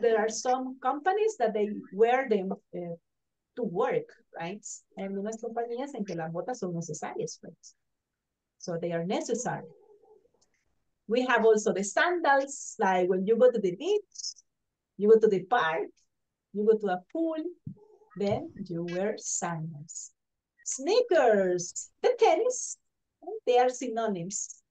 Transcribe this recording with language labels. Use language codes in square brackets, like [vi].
[en] There are some companies that they wear them to work, right? [es] Hay unas compañías en que las botas son necesarias, right? [en] So they are necessary. We have also the sandals, like when you go to the beach, you go to the park, you go to a pool, then you wear sandals. Sneakers, the tennis, they are synonyms.